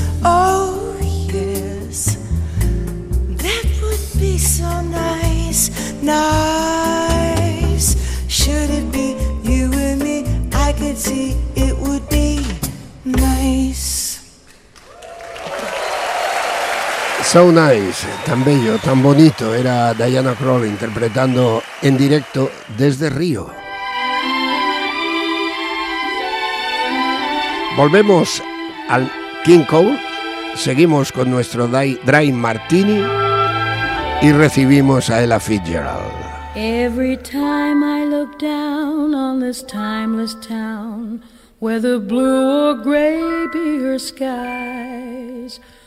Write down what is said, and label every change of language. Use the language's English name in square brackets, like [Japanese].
[English] Oh yes, that would be so nice. Nice. Should it be you and me? I could see it would be nice. It's [Spanish] So Nice, tan bello, tan bonito, era Diana Krall interpretando en directo desde Río. Volvemos al King Cole, seguimos con nuestro Dry Martini y recibimos a Ella Fitzgerald. [English] Every time I look down on this timeless town, whether blue or gray be her skies,